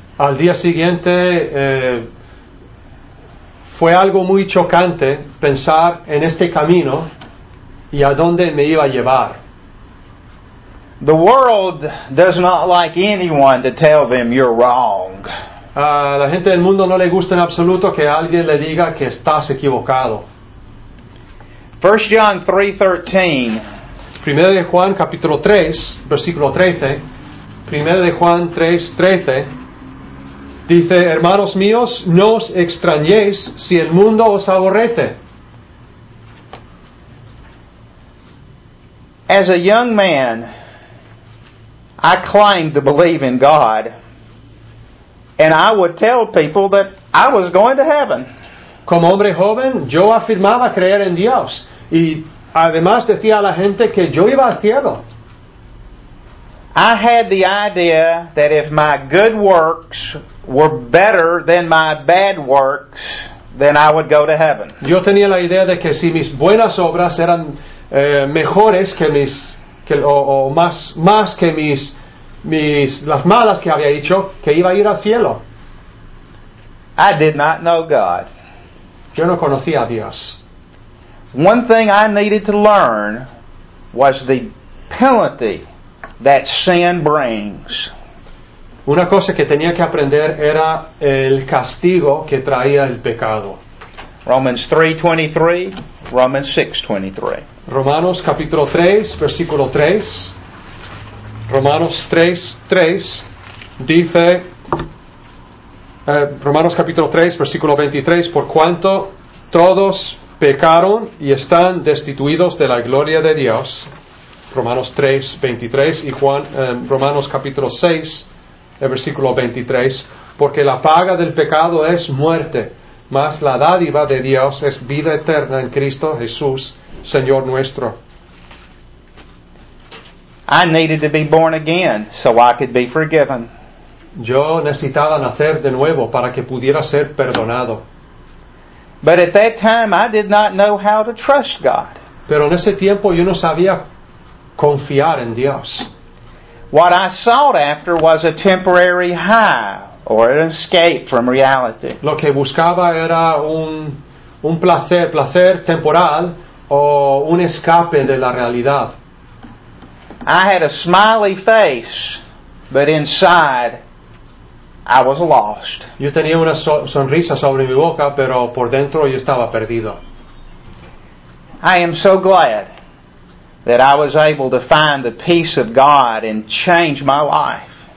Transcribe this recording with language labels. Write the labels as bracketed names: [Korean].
[Spanish] Al día siguiente, fue algo muy chocante pensar en este camino y a dónde me iba a llevar. [English] The world does not like anyone to tell them you're wrong. [Spanish] La gente del mundo no le gusta en absoluto que alguien le diga que estás equivocado. [English] 1 John 3:13. [Spanish] Primero de Juan capítulo 3, versículo 13. Primero de Juan 3:13 dice: Hermanos míos, no os extrañéis si el mundo os aborrece. [English] As a young man, I claimed to believe in God, and I would tell people that I was going to heaven. [Spanish] Como hombre joven, yo afirmaba creer en Dios. Y además decía a la gente que yo iba al cielo. [English] I had the idea that if my good works were better than my bad works, then I would go to heaven. [Spanish] Yo tenía la idea de que si mis buenas obras eran mejores que mis que, o más que mis las malas que había hecho, que iba a ir al cielo. [English] I did not know God. [Spanish] Yo no conocía a Dios. [English] One thing I needed to learn was the penalty that sin brings. [Spanish] Una cosa que tenía que aprender era el castigo que traía el pecado. [English] Romans 3:23, Romans 6:23. [Spanish] Romanos capítulo 3, versículo 3. Romanos 3, 3 dice, Romanos capítulo 3, versículo 23, por cuanto todos pecaron y están destituidos de la gloria de Dios. Romanos 3:23 y Juan, Romanos capítulo 6, el versículo 23. Porque la paga del pecado es muerte, mas la dádiva de Dios es vida eterna en Cristo Jesús, Señor nuestro. [English] I needed to be born again so I could be forgiven. [Spanish] Yo necesitaba nacer de nuevo para que pudiera ser perdonado. [English] But at that time, I did not know how to trust God. [Spanish] Pero en ese tiempo yo no sabía confiar en Dios. [English] What I sought after was a temporary high or an escape from reality. [Spanish] Lo que buscaba era un placer temporal o un escape de la realidad. [English] I had a smiley face, but inside I was lost. [Spanish] Yo tenía una sonrisa sobre mi boca, pero por dentro yo estaba perdido. [English] I am so glad that I was able to find the peace of God and change my life.